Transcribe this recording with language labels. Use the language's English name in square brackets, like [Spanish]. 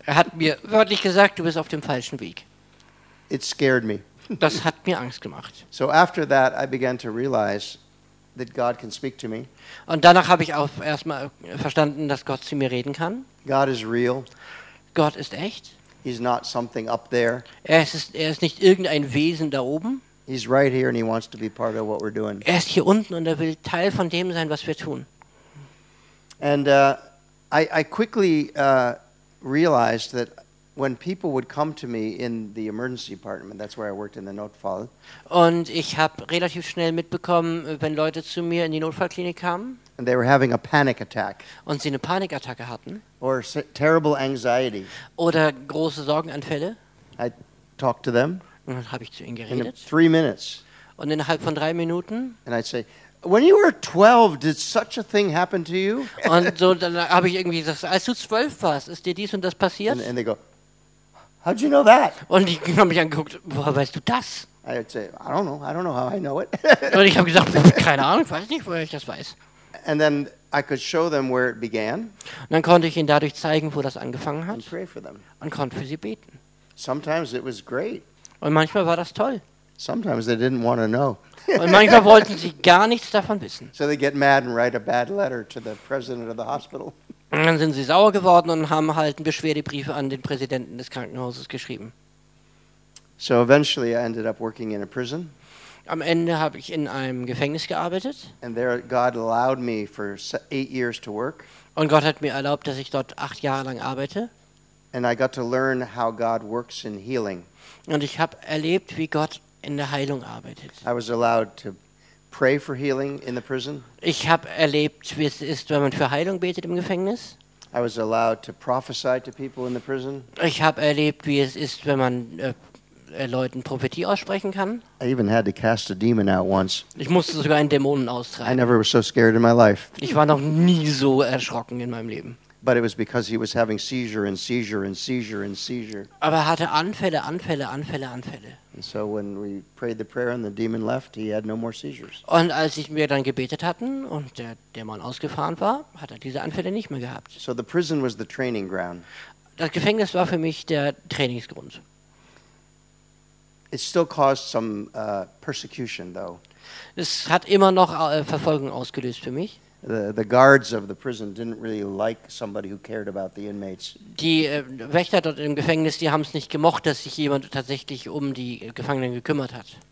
[German] Er hat mir wörtlich gesagt, du bist auf dem falschen Weg. [English] It scared me. [German] Das hat mir Angst gemacht. [English] So after that, I began to realize that God can speak to me. [German] Und danach habe ich auch erstmal verstanden, dass Gott zu mir reden kann. [English] God is real. [German] Gott ist echt. [English] He's not something up there. [German] Er ist nicht irgendein Wesen da oben. [English] He's right here and he wants to be part of what we're doing. [German] Er ist hier unten und er will Teil von dem sein, was wir tun. [English] And I quickly realized that when people would come to me in the emergency department, that's where I worked in the Notfall. [German] Und ich habe relativ schnell mitbekommen, wenn Leute zu mir in die Notfallklinik kamen. [English] And they were having a panic attack. [German] Und sie eine Panikattacke hatten. [English] Or terrible anxiety. [German] Oder große Sorgenanfälle. [English] I talked to them. [German] Und dann habe ich zu ihnen geredet. [English] In 3 minutes. [German] Und innerhalb von 3 Minuten. [English] And I'd say, "When you were 12, did such a thing happen to you?" [German] Und so dann habe ich irgendwie gesagt, als du 12 warst, ist dir dies und das passiert? [English] And they go, "How'd you know that?" [German] Und die haben mich angeguckt, woher weißt du das? [English] I'd say, I don't know how I know it. [German] Und ich habe gesagt, keine Ahnung, weiß nicht, woher ich das weiß. [English] And then I could show them where it began. [German] Und dann konnte ich ihnen dadurch zeigen, wo das angefangen hat. [English] And pray for them. [German] Und konnte für sie beten. [English] Sometimes it was great. [German] Und manchmal war das toll. [English] Sometimes they didn't want to know. [German] Und manchmal wollten sie gar nichts davon wissen. [English] So they get mad and write a bad letter to the president of the hospital. [German] Und dann sind sie sauer geworden und haben halt einen Beschwerdebrief an den Präsidenten des Krankenhauses geschrieben. [English] So eventually I ended up working in a prison. [German] Am Ende habe ich in einem Gefängnis gearbeitet. [English] And there God allowed me for 8 years to work. [German] Und Gott hat mir erlaubt, dass ich dort 8 Jahre lang arbeite. [English] And I got to learn how God works in healing. [German] Und ich habe erlebt, wie Gott in der Heilung arbeitet. [English] I was allowed to pray for healing in the prison. [German] Ich habe erlebt, wie es ist, wenn man für Heilung betet im Gefängnis. [English] I was allowed to prophesy to people in the prison. [German] Ich habe erlebt, wie es ist, wenn man Leuten Prophetie aussprechen kann. [English] I even had to cast a demon out once. [German] Ich musste sogar einen Dämonen austreiben. [English] I never was so scared in my life. [German] Ich war noch nie so erschrocken in meinem Leben. [English] But it was because he was having seizure and seizure and seizure and seizure. [German] Aber er hatte Anfälle, Anfälle, Anfälle, Anfälle. [English] And so when we prayed the prayer and the demon left, he had no more seizures. [German] Und als wir dann gebetet hatten und der Dämon ausgefahren war, hat er diese Anfälle nicht mehr gehabt. [English] So the prison was the training ground. [German] Das Gefängnis war für mich der Trainingsgrund. [English] It still caused some persecution though. [German] Es hat immer noch Verfolgung ausgelöst für mich. [English] The guards of the prison didn't really like somebody who cared about the inmates. [German] Die Wächter dort im Gefängnis, die haben es nicht gemocht, dass sich jemand tatsächlich um die Gefangenen gekümmert hat.